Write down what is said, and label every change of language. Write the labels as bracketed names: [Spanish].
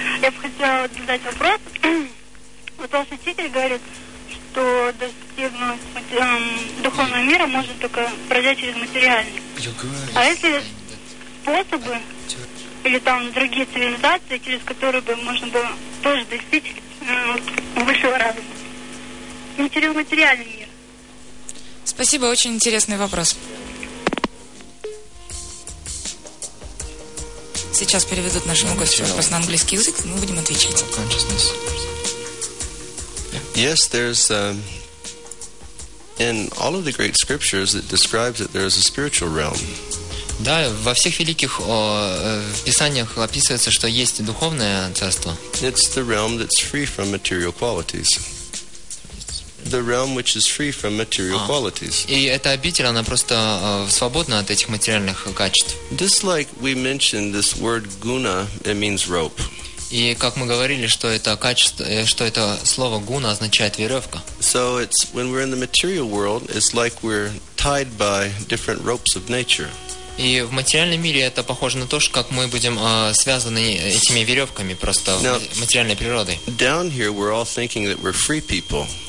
[Russian] Я бы хотела задать вопрос. Вот ваш учитель говорит, что достигнуть духовного мира можно только пройдя через материальный. А если способы или там другие цивилизации, через которые бы можно было тоже достичь высшего разума? Материальный мир. Спасибо, очень интересный вопрос. Сейчас переведут нашему гостю вопрос на английский язык, мы будем отвечать. [English] Consciousness. Yes, there's in all of the great scriptures it describes that there is a spiritual realm. [Russian] Да, во всех великих писаниях описывается, что есть духовное царство. [English] It's the realm that's free from material qualities. The realm which is free from material qualities. [Russian] И эта обитель, она просто свободна от этих материальных качеств. [English] Just like we mentioned this word guna, it means rope. [Russian] И как мы говорили, что это качество, что это слово guna означает веревка. [English] So it's when we're in the material world, it's like we're tied by different ropes of nature. [Russian] И в материальном мире это похоже на то, как мы будем связаны этими веревками просто материальной природой. [English] Down here we're all thinking that we're free people.